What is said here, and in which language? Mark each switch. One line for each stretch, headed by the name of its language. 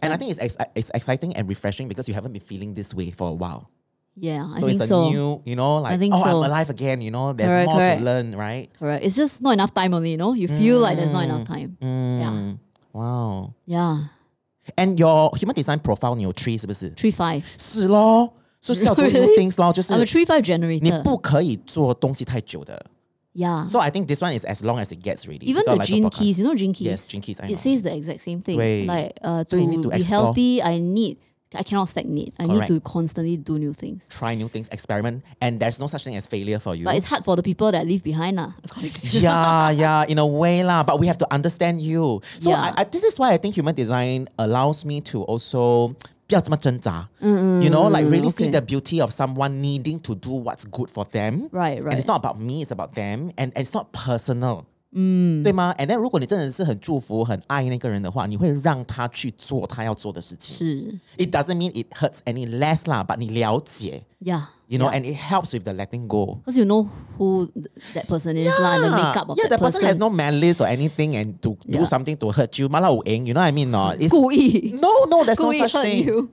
English: And I think it's exciting and refreshing because you haven't been feeling this way for a while. Yeah, so I think so. So it's a new, you know, like, I'm alive again, you know. There's correct, more correct. To learn, right? Correct. It's just not enough time only, you know. You feel like there's not enough time. Yeah. Wow. Yeah. And your human design profile, you're 3, isn't it? 3-5. 是 lor. So it's really? Do new things lor. I'm a 3-5 generator.
Chinese: 你不可以做东西太久的.
English: Yeah. So I think this one is as long as it gets ready. Even the gene keys, you know gene keys? Yes, gene keys, I know. It says the exact same thing. Wait. Like, so you need to be explore. Healthy, I cannot stagnate. I need to constantly do new things. Try new things, experiment. And there's no such thing as failure for you. But it's hard for the people that I leave behind. Yeah, in a way. But we have to understand you. So this is why I think human design allows me to also
Chinese: 不要这么挣扎,
English: you know, like really see the beauty of someone needing to do what's good for them. Right. And it's not about me, it's about them. And it's not personal.
Chinese: 对吗?
English: And then
Chinese: 如果你真的是很祝福, 很爱那个人的话, 你会让他去做他要做的事情。是。
English: It doesn't mean it hurts any less lah, but
Chinese: 你了解。
English: Yeah. You know, and it helps with the letting go. Because you know who that person is lah, the makeup of that person. Yeah, that person has no malice or anything and to do something to hurt you. 马拉无影, you know what I mean? No? It's,
Chinese: 故意。
English: No, there's no such thing.
Chinese: 故意
English: hurt you.